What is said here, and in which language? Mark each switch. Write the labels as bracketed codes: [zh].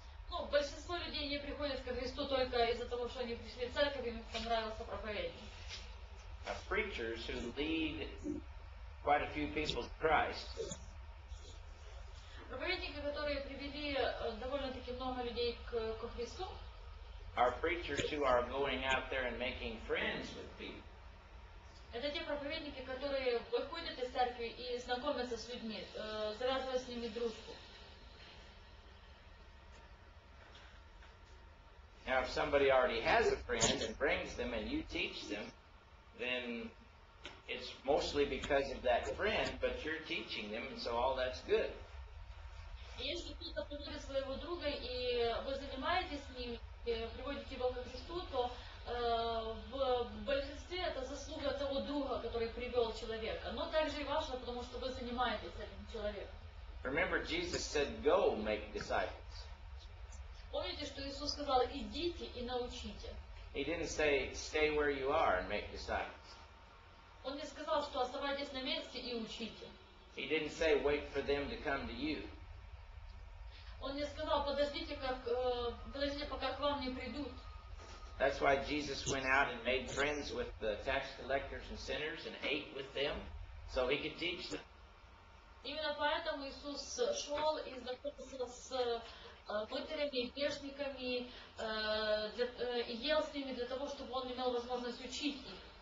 [ru] Ну, большинство людей не приходят ко Христу только из-за того, что они пришли в церковь, им понравился проповедник. [en] Preachers who lead quite a few people to Christ. [ru] Проповедники, которые привели довольно-таки много людей к Христу. [en] Are preachers who are going out there and making friends with people. [ru] Это те проповедники, которые выходят из церкви и знакомятся с людьми, завязывают с ними дружбу. [en] Now, if somebody already has a friend and brings them and you teach them, then it's mostly because of that friend, but you're teaching them, and so all that's good. [ru] Если кто-то приводит своего друга, и вы занимаетесь с ним, приводите его к Христу, то в большинстве это заслуга того друга, который привел человека. Но также и ваша, потому что вы занимаетесь этим человеком. [en] Remember, Jesus said, go make disciples. [ru] Помните, что Иисус сказал, идите и научите. [en] He didn't say, stay where you are and make disciples. [ru] Он не сказал, что оставайтесь на месте и учите. [en] He didn't say, wait for them to come to you. [ru] Он не сказал, подождите, как, подождите, пока к вам не придут. [en] That's why Jesus went out and made friends with the tax collectors and sinners and ate with them, so he could teach them. [ru] Именно поэтому Иисус шел и знакомился с мытарями, грешниками, ел с ними для того, чтобы он имел возможность учить их.